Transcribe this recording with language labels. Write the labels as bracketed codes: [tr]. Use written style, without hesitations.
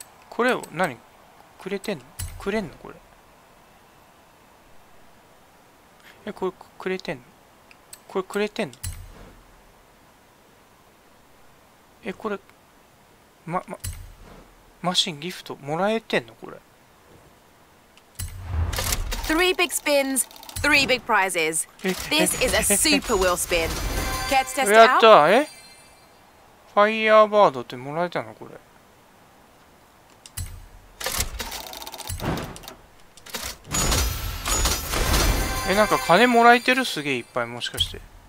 [ja] これを何くれてんの、くれんのこれ。え、これくれてんの、これくれてんの、え、これ、マシン、ギフト、もらえてんのこれ。 [en] Three big spins, three big prizes. This is a super wheel spin. Care to test it out? [ja] やった、え？ファイヤーバードってもらえたのこれ。え、なんか金もらえてる？すげえいっぱい、もしかして。